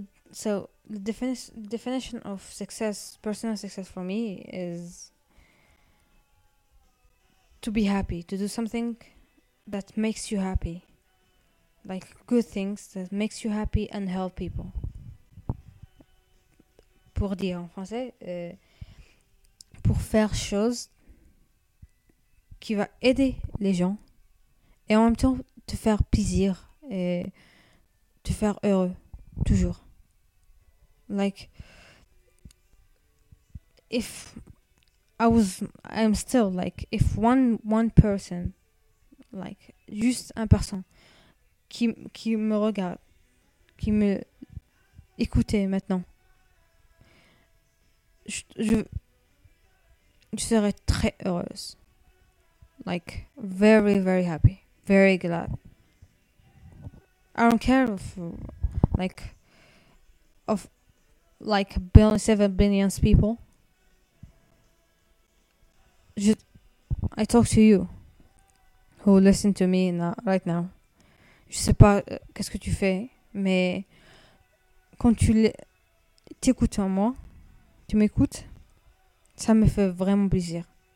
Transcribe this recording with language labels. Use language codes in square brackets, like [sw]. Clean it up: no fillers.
[en] So the definition of success, personal success for me is to be happy, to do something that makes you happy. Like good things that makes you happy and help people. [fr] Pour dire en français, pour faire chose qui va aider les gens et en même temps te faire plaisir et te faire heureux, toujours. [en] Like, if I was, I'm still like, if one person, like, [fr] juste un person qui me regarde, qui me écoutait maintenant, je serais très heureuse. [en] Like, very, very happy. Very glad. I don't care of 7 billion people. Just, I talk to you who listen to me now, right now. [fr] Je sais pas qu'est-ce que tu fais, mais quand tu t'écoutes en moi, tu m'écoutes, ça me fait vraiment plaisir.